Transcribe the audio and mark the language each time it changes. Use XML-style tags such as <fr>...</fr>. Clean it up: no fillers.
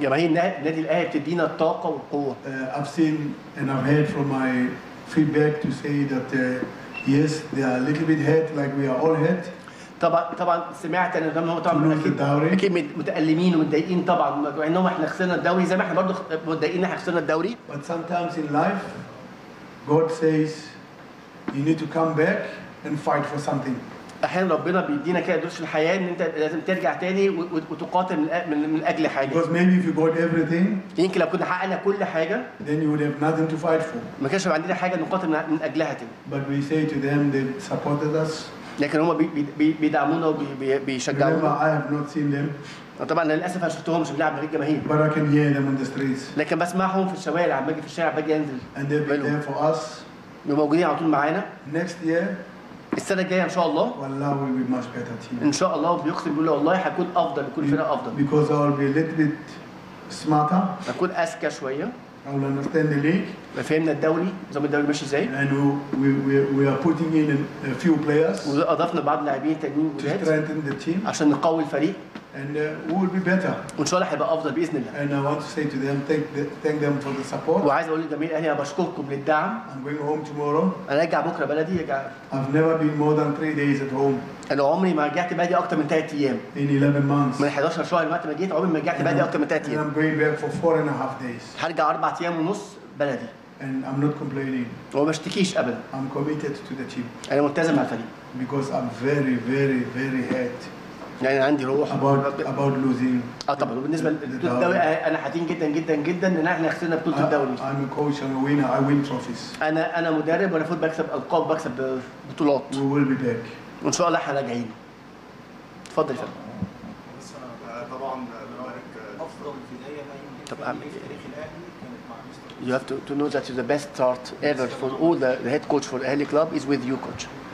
<ar>جماهير النادي الاهلي بتدينا الطاقه والقوه.</ar> <en>I've seen and I've heard from my feedback to say that yes they are a little bit hurt like we are all hurt.</en> <ar>طبعا سمعت ان هم طبعا اكيد متالمين ومتضايقين طبعا ان هم احنا خسرنا الدوري زي ما احنا برضه متضايقين ان احنا خسرنا الدوري.</ar> <en>But sometimes in life God says you need to come back and fight for something.</en> <ar>احيانا ربنا بيدينا كده دروس في الحياه ان انت لازم ترجع تاني وتقاتل من اجل حاجه.</ar> <en>Because maybe if you got everything.</en> <ar>يمكن لو كنا حققنا كل حاجه.</ar> <en>Then you would have nothing to fight for.</en> <ar>ما كانش عندنا حاجه نقاتل من اجلها تاني.</ar> <en>But we say to them they supported us.</en> <ar>لكن هم بيدعمونا وبيشجعونا.</ar> <en>Remember, I have not seen them.</en> <ar>طبعا للاسف انا شفتهم مش بلعب من غير جماهير.</ar> <en>But I can hear them on the streets.</en> <ar>لكن بسمعهم في الشوارع لما اجي في الشارع باجي انزل.</ar> <en>And they'll be there for us.</en> <ar>موجودين على طول معانا.</ar> <en>Next year.</en> <ar>السنه الجايه ان شاء الله.</ar> <en>والله we'll be much better team.</en> <ar>ان شاء الله بيقسم بيقول والله هكون افضل بكل فرقه افضل.</ar> <en>Because I'll be a little bit smarter.</en> <ar>هكون اذكى شويه.</ar> <en>I'll understand the league.</en> <ar>فهمنا الدوري نظام الدوري ماشي ازاي.</ar> <en>And we are putting in a few players.</en> <ar>واضفنا بعض لاعبين تانيين جداد.</ar> <en>To strengthen the team.</en> <ar>عشان نقوي الفريق.</ar> <en>And we'll be better.</en> <ar>وإن شاء الله هيبقى أفضل بإذن الله.</ar> <en>And I want to say to them, thank them for the support.</en> <ar>وعايز أقول لجميع أهلي بشكركم للدعم.</ar> <en>I'm going home tomorrow.</en> <ar>أنا أرجع بكرة بلدي.</ar> <en>I've never been more than 3 days at home.</en> <ar>أنا عمري ما رجعت بلدي أكتر من 3 أيام.</ar> <en>In 11 months.</en> <ar>من 11 شهر لما جيت عمري ما رجعت بلدي أكتر من 3 أيام.</ar> <en>And I'm going back for 4.5 days.</en> <ar>هرجع 4 أيام ونص بلدي.</ar> <en>And I'm not complaining.</en> <ar>ومشتكيش أبدا.</ar> <en>I'm committed to the team.</en> <ar>أنا ملتزم على الفريق.</ar> <en>Because I'm very, very, very hurt.</en> <ar>يعني عندي روح</ar> <en>about losing.</en> <ar>طبعا وبالنسبه للدوري انا حزين جدا جدا جدا ان احنا خسرنا بطوله الدوري.</ar> <en>I'm a coach and a winner. I win trophies.</en> <ar>انا مدرب وانا فوت بكسب القاب بكسب بطولات.</ar> <en>We will be back.</en> <ar>وان شاء الله احنا راجعين. اتفضل يا فندم. طبعا بنبارك افضل بدايه ممكن في تاريخ الاهلي.</ar> <en>You have to know that the best start ever for all the head coach for Ahli Club is with you coach.</en>